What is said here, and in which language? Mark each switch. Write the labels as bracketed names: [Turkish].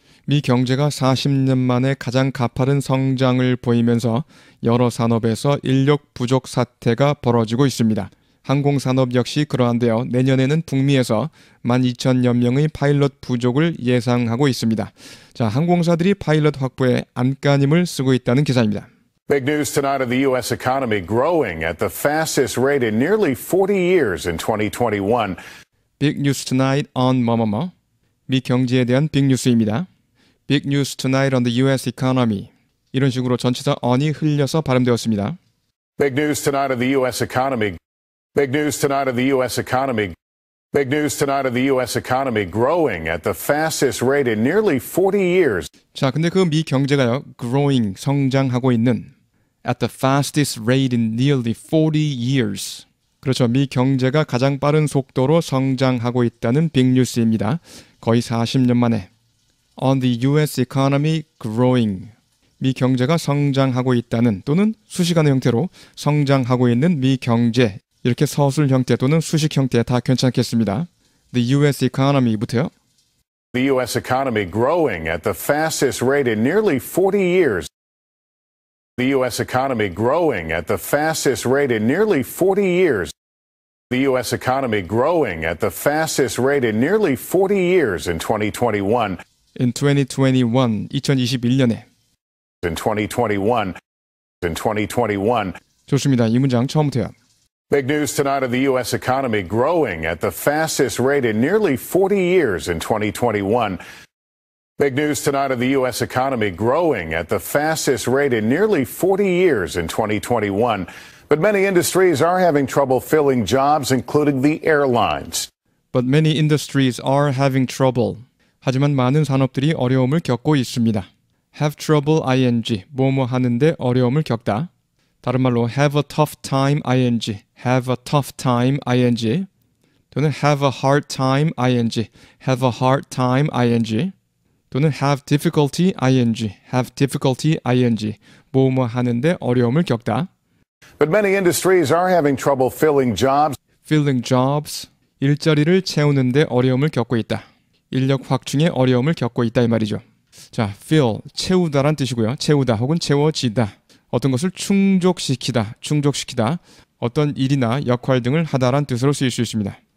[Korean] 미 경제가 40년 만에 가장 가파른 성장을 보이면서 여러 산업에서 인력 부족 사태가 벌어지고 있습니다. 항공산업 역시 그러한데요. 내년에는 북미에서 12,000여 명의 파일럿 부족을 예상하고 있습니다. 자, 항공사들이 파일럿 확보에 안간힘을 쓰고 있다는 기사입니다. [English] Big news tonight of the U.S. economy growing at the fastest rate in nearly 40 years in 2021. Big news tonight on 뭐뭐뭐. [Korean] 미 경제에 대한 빅뉴스입니다. [English] Big news tonight on the U.S. economy. [Korean] 이런 식으로 전체적 언이 흘려서 발음되었습니다. [English] Big news tonight of the U.S. economy. Big news tonight of the U.S. economy. Big news tonight of the U.S. economy growing at the fastest rate in nearly 40 years. [Korean] 자, 근데 그 미 경제가요, [English] growing, [Korean] 성장하고 있는, [English] at the fastest rate in nearly 40 years. [Korean] 그렇죠, 미 경제가 가장 빠른 속도로 성장하고 있다는 빅뉴스입니다. 거의 40년 만에. [English] On the U.S. economy growing. [Korean] 미 경제가 성장하고 있다는, 또는 수시간의 형태로 성장하고 있는 미 경제. 이렇게 서술 형태 또는 수식 형태 다 괜찮겠습니다. [English] The U.S. economy부터요. The U.S. economy growing at the fastest rate in nearly 40 years. The U.S. economy growing at the fastest rate in nearly 40 years. The U.S. economy growing at the fastest rate in nearly 40 years in 2021. In 2021, 2021년에. In 2021. In 2021. [Korean] 좋습니다. 이 문장 처음부터요. [English] Big news tonight of the U.S. economy growing at the fastest rate in nearly 40 years in 2021. Big news tonight of the U.S. economy growing at the fastest rate in nearly 40 years in 2021. But many industries are having trouble filling jobs, including the airlines. But many industries are having trouble. [Korean] 하지만 많은 산업들이 어려움을 겪고 있습니다. [English] Have trouble, ing. [Korean] 뭐뭐 하는데 어려움을 겪다. 다른 말로 [English] have a tough time, ing. Have a tough time, ing. [Korean] 또는 [English] have a hard time, ing. Have a hard time, ing. [Korean] 또는 [English] have difficulty, ing. Have difficulty, ing. [Korean] 뭐뭐 하는데 어려움을 겪다. [English] But many industries are having trouble filling jobs. Filling jobs. [Korean] 일자리를 채우는데 어려움을 겪고 있다. 인력 확충에 어려움을 겪고 있다 이 말이죠. 자, fill, 채우다란 뜻이고요. 채우다 혹은 채워지다. 어떤 것을 충족시키다, 충족시키다. 어떤 일이나 역할 등을 하다란 뜻으로 쓰일 수 있습니다.